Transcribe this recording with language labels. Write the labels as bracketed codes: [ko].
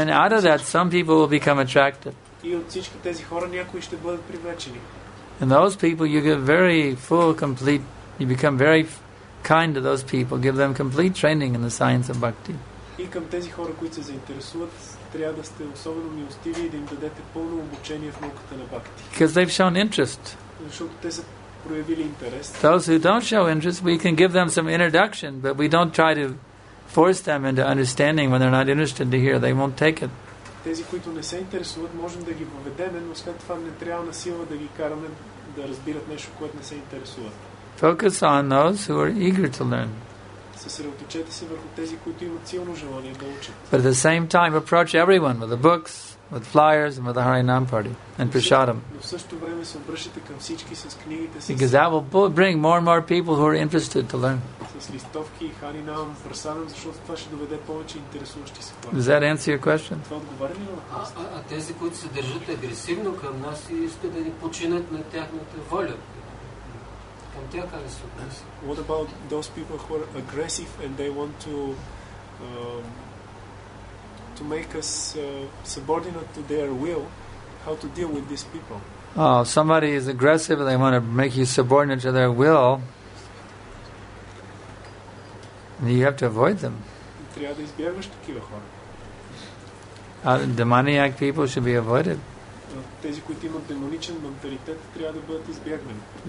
[en] And then out of that, some people will become attracted. [bg] И от всички тези хора някои ще бъдат привлечени. [en] And those people, you get very full, complete. You become very kind to those people. Give them complete training in the science of bhakti. [bg] И към тези хора, които се заинтересуват, трябва да сте особено милостиви и да им дадете пълно обучение в науката на бхакти. [en] Because they've shown interest. [bg] Защото те са проявили интерес. [en] Those who don't show interest, we can give them some introduction, but we don't try to force them into understanding when they're not interested to hear. They won't take it. [bg] Тези, които не се интересуват, можем да ги въведем, но след това не трябва на сила да ги караме да разбират нещо, което не се интересуват. [en] Focus on those who are eager to learn. [bg] Съсредоточете се върху тези, които имат силно желание да учат. [en] But at the same time, approach everyone with the books, with flyers, and with the Harinam party, and prasadam. [bg] Но в същото време се обръщате към всички с книгите си. [en] Because that will bring more and more people who are interested to learn. [bg] С листовки и Харинам, прасадам, защото това ще доведе повече интересуващи се хора. [en] Does that answer your question? [bg] Това отговаря ли на въпроса? А тези, които се държат агресивно към нас и искат да ни починат на тяхната воля, към тях как се отнесе? [en] What about those people who are aggressive and they want to to make us subordinate to their will, how to deal with these people? Oh, somebody is aggressive and they want to make you subordinate to their will, you have to avoid them. [bg] Трябва да избягваш такива хора. [en] Demoniac people should be avoided. [bg] Тези, които имат демоничен менталитет, трябва да бъдат избягвани.